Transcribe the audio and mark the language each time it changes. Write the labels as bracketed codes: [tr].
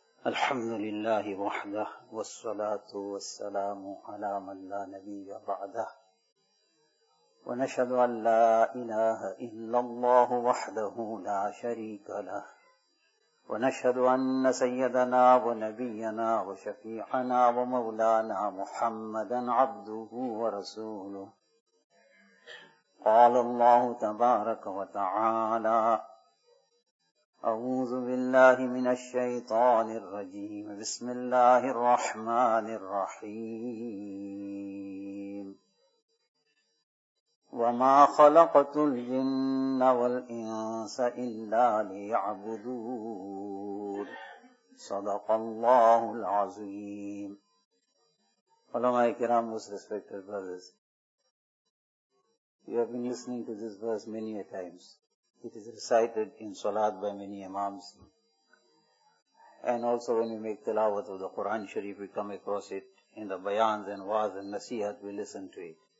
[ar] الحمد للہ وحدہ والصلاۃ والسلام علی من لا نبی بعدہ، ونشهد ان لا الہ الا اللہ وحدہ لا شریک لہ، ونشهد ان سیدنا ونبینا وشفیعنا ومولانا محمدا عبده ورسوله. قال الله تبارك وتعالى: أعوذ بالله من الشيطان الرجيم، بسم الله الرحمن الرحيم. وما خلقت الجن والإنس إلا ليعبدون. صدق الله العظيم. علماء الكرام، [en] most respected brothers, you have been listening to this verse many a times. It is recited in Salat by many Imams. And also when we make tilawat of the Quran Sharif, we come across it in the bayans and waaz and nasihat, we listen to it.